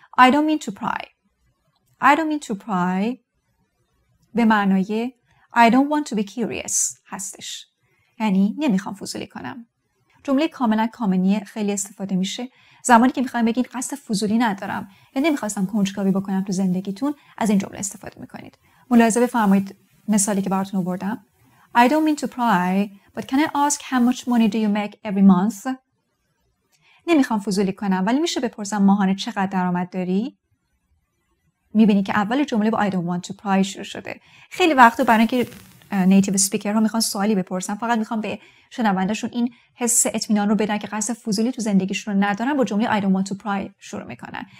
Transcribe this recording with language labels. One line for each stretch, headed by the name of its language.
English: I don't mean to pry. I don't mean to pry
Persian: به معنای
English: I don't want to be curious
Persian: هستش. یعنی نمیخوام فضولی کنم. جمله کاملا کامنیه، خیلی استفاده میشه. زمانی که میخوایم بگین قصد فضولی ندارم یا نمیخواستم کنجکاوی بکنم تو زندگیتون، از این جمله استفاده میکنید. ملاحظه بفرمایید مثالی که براتون آوردم.
English: I don't mean to pry, but can I ask how much money do you make every month?
Persian: نمیخوام فضولی کنم ولی میشه بپرسم ماهانه چقدر درآمد داری؟ میبینی که اول جمله با
English: I don't want to pry
Persian: شروع شده. خیلی وقتو برای اینکه نیتیو سپیکر ها میخوان سوالی بپرسن، فقط میخوان به شنوندهشون این حس اطمینان رو بدن که قصد فضولی تو زندگیشون رو ندارن، با جمله
English: I don't want to pry
Persian: شروع میکنن.